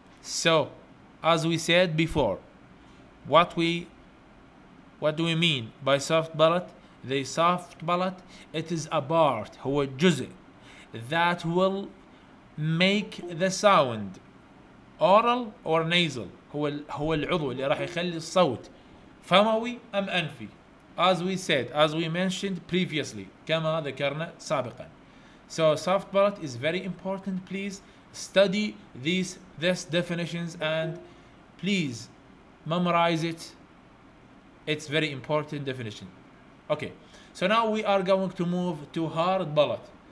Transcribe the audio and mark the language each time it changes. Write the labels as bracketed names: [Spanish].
[English] So, as we said before, what do we mean by soft palate? The soft palate, it is a part, [Arabic] هو جزء, [English] that will make the sound oral or nasal, [Arabic] هو العضو اللي راح يخلي الصوت فموي ام انفي. [English] As we said, as we mentioned previously, [Arabic] كما ذكرنا سابقا. [English] So soft palate is very important. Please study these definitions and please memorize it. It's very important definition. Okay. So now we are going to move to hard palate.